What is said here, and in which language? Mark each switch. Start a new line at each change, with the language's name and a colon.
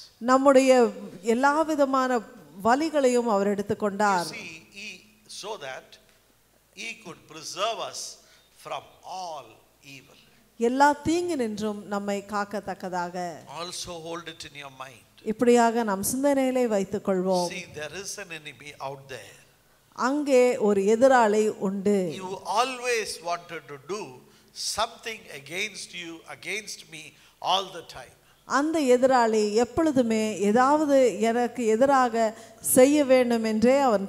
Tamil: நம்முடைய எல்லா விதமான வலிகளையும் அவர் எடுத்துக்கொண்டார்.
English: So that he could preserve us from all evil.
Tamil: எல்லா தீங்கினின்றும் நம்மை காக்கத்தக்கதாக.
English: Also hold it in your mind.
Tamil: இப்படியாக நம் சிந்தனையிலே வைத்துக் கொள்வோம்.
English: See, there is an enemy out there.
Tamil: அங்கே ஒரு எதிராளி உண்டு.
English: You always wanted to do something against you, against me, all the time.
Tamil: அந்த எதிராளி எப்பொழுதுமே ஏதாவது எனக்கு எதிராக செய்ய வேண்டும் என்றே அவன்